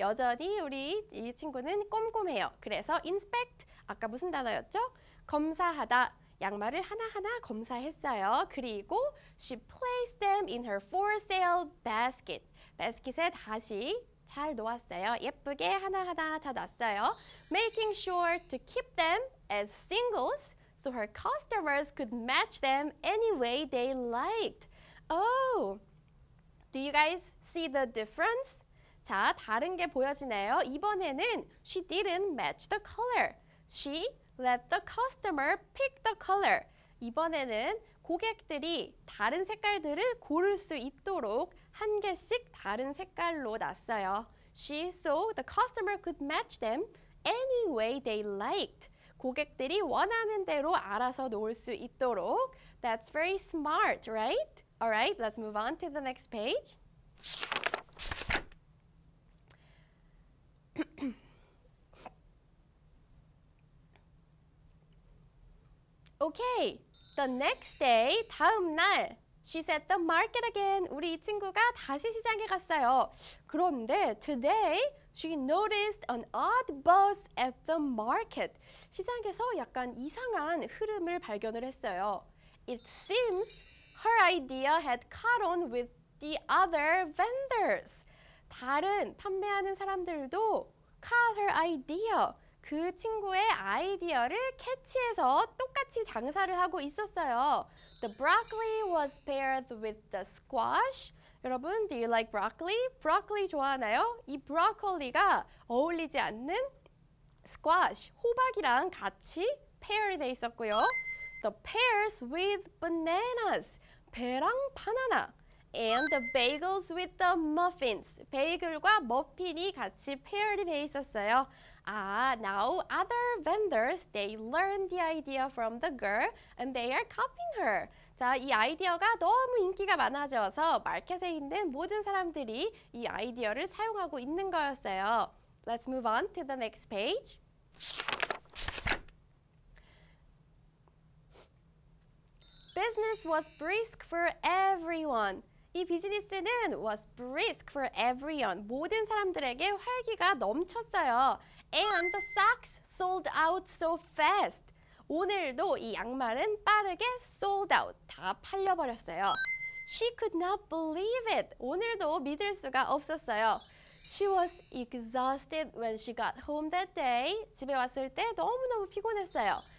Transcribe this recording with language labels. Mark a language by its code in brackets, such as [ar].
[ko] 여전히 우리 이 친구는 꼼꼼해요. 그래서 inspect, 아까 무슨 단어였죠? 검사하다, 양말을 하나하나 검사했어요. 그리고 [en] she placed them in her for sale basket. [ko] 바스켓에 다시 잘 놓았어요. 예쁘게 하나하나 다 놨어요. [en] Making sure to keep them as singles so her customers could match them any way they liked. Oh, do you guys see the difference? [ko] 자, 다른 게 보여지네요. 이번에는 [en] she didn't match the color. She let the customer pick the color. [ko] 이번에는 고객들이 다른 색깔들을 고를 수 있도록 한 개씩 다른 색깔로 놨어요. [en] She so the customer could match them any way they liked. [ko] 고객들이 원하는 대로 알아서 놓을 수 있도록. [en] That's very smart, right? Alright, let's move on to the next page. Okay, the next day, [ko] 다음 날, [en] she's at the market again. [ko] 우리 이 친구가 다시 시장에 갔어요. 그런데 [en] today, she noticed an odd buzz at the market. [ko] 시장에서 약간 이상한 흐름을 발견을 했어요. [en] It seems her idea had caught on with the other vendors. [ko] 다른 판매하는 사람들도 [en] caught her idea. [ko] 그 친구의 아이디어를 캐치해서 똑같이 장사를 하고 있었어요. [en] The broccoli was paired with the squash. [ko] 여러분, [en] do you like broccoli? [ko] 브로콜리 좋아하나요? 이 브로콜리가 어울리지 않는 squash, 호박이랑 같이 pair 돼 있었고요. [en] The pears with bananas, [ko] 배랑 바나나. [en] And the bagels with the muffins. [ko] 베이글과 머핀이 같이 페어링 돼 있었어요. [en] Ah, now other vendors, they learned the idea from the girl and they are copying her. [ko] 자, 이 아이디어가 너무 인기가 많아져서 마켓에 있는 모든 사람들이 이 아이디어를 사용하고 있는 거였어요. [en] Let's move on to the next page. Business was brisk for everyone. [ko] 이 비즈니스는 [en] was brisk for everyone. [ko] 모든 사람들에게 활기가 넘쳤어요. [en] And the socks sold out so fast. [ko] 오늘도 이 양말은 빠르게 [en] sold out. [ko] 다 팔려버렸어요. [en] She could not believe it. [ko] 오늘도 믿을 수가 없었어요. [en] She was exhausted when she got home that day. [ko] 집에 왔을 때 너무너무 피곤했어요.